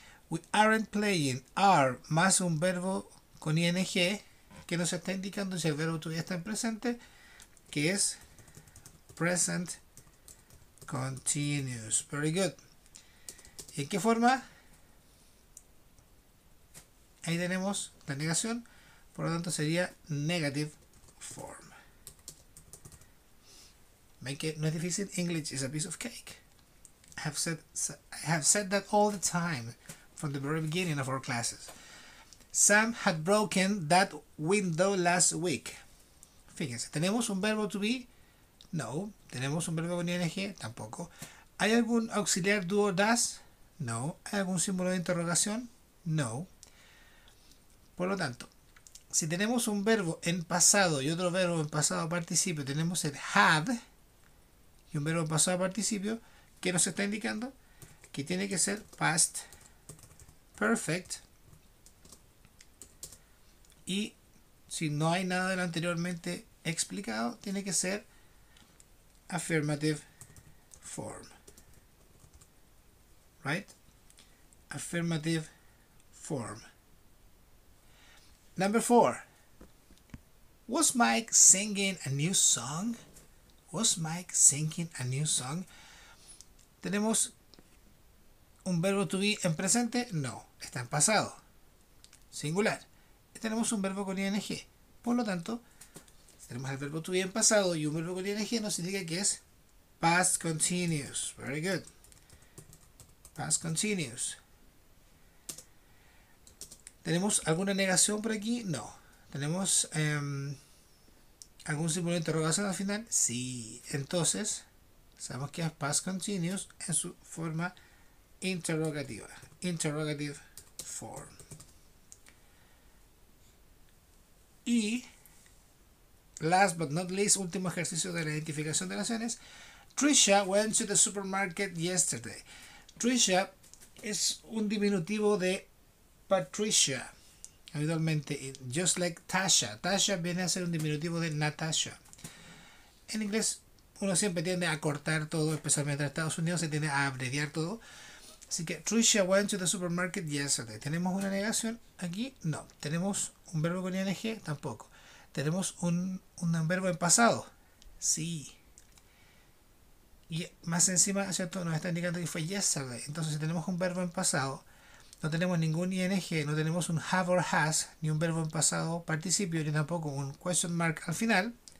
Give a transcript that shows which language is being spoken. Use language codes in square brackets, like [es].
[en] We aren't playing, are [es] más un verbo con ing que nos está indicando si el verbo todavía está en presente, que es present continuous. [en] Very good. [es] ¿Y en qué forma? Ahí tenemos la negación, por lo tanto sería negative form. [en] Make it, [es] no es difícil, [en] English is a piece of cake. I have said that all the time from the very beginning of our classes. Sam had broken that window last week. [es] Fíjense, ¿tenemos un verbo to be? No. ¿Tenemos un verbo con ing? Tampoco. ¿Hay algún auxiliar do or does? No. ¿Hay algún símbolo de interrogación? No. Por lo tanto, si tenemos un verbo en pasado y otro verbo en pasado participio, tenemos el had y un verbo en pasado participio, ¿qué nos está indicando? Que tiene que ser past perfect. Y si no hay nada de lo anteriormente explicado, tiene que ser affirmative form. [en] Right? Affirmative form. Number 4. Was Mike singing a new song? Was Mike singing a new song? [es] ¿Tenemos un verbo to be en presente? No, está en pasado. Singular. Tenemos un verbo con ing. Por lo tanto, si tenemos el verbo to be en pasado y un verbo con ing, nos indica que es past continuous. [en] Very good. Past continuous. [es] ¿Tenemos alguna negación por aquí? No. ¿Tenemos algún símbolo de interrogación al final? Sí. Entonces, sabemos que es past continuous en su forma interrogativa. [en] Interrogative form. [es] Y, [en] last but not least, [es] último ejercicio de la identificación de oraciones. [en] Trisha went to the supermarket yesterday. [es] Trisha es un diminutivo de Patricia, habitualmente, [en] just like Tasha. [es] Tasha viene a ser un diminutivo de Natasha. En inglés, uno siempre tiende a cortar todo, especialmente en Estados Unidos, se tiende a abreviar todo. Así que, [en] Trisha went to the supermarket yesterday. [es] ¿Tenemos una negación aquí? No. ¿Tenemos un verbo con ing? Tampoco. ¿Tenemos un verbo en pasado? Sí. Y más encima, ¿cierto? Nos está indicando que fue yesterday. Entonces, si tenemos un verbo en pasado, no tenemos ningún ing, no tenemos un have or has, ni un verbo en pasado participio, ni tampoco un question mark al final.